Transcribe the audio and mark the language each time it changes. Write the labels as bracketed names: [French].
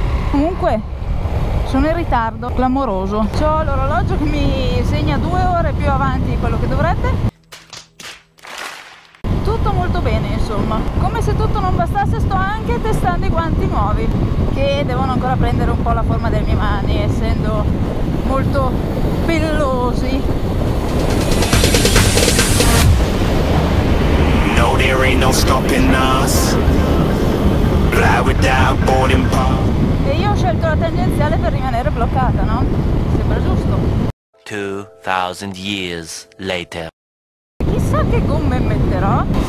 [Italian] Comunque sono in ritardo, clamoroso. C'ho l'orologio che mi segna 2 ore più avanti di quello che dovrebbe. Tutto molto bene, insomma. Come se tutto non bastasse, sto anche testando i guanti nuovi, che devono ancora prendere un po' la forma delle mie mani, essendo molto pellosi. [English] No, there ain't no stopping us. Fly without boarding pass. [Italian] E io ho scelto la tangenziale per rimanere bloccata, no? Sembra giusto. [English] 2000 years later. [Italian] Chissà che gomme metterò.